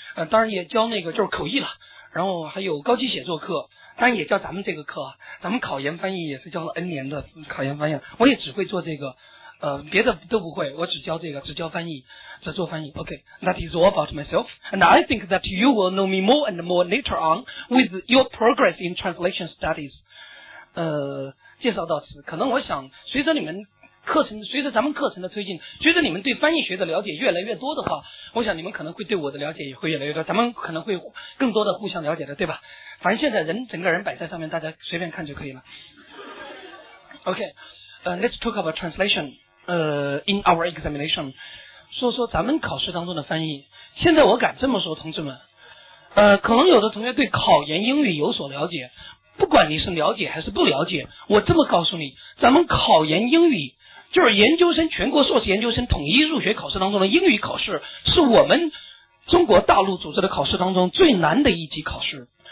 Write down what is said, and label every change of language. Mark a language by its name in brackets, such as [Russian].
[Chinese] 当然也教那个就是口译了，然后还有高级写作课。但也叫咱们这个课，咱们考研翻译也是教了 N 年的考研翻译，我也只会做这个，别的都不会，我只教这个，只教翻译，只做翻译。 [English] Okay, that is all about myself, and I think that you will know me more and more later on with your progress in translation studies. [Chinese] 介绍到此，可能我想随着你们课程，随着咱们课程的推进，随着你们对翻译学的了解越来越多的话，我想你们可能会对我的了解也会越来越多，咱们可能会更多的互相了解的，对吧？反正现在人整个人摆在上面，大家随便看就可以了。 [English] OK, let's talk about translation, in our examination. [Chinese] 说说咱们考试当中的翻译。现在我敢这么说，同志们，可能有的同学对考研英语有所了解，不管你是了解还是不了解，我这么告诉你，咱们考研英语就是研究生全国硕士研究生统一入学考试当中的英语考试，是我们中国大陆组织的考试当中最难的一级考试。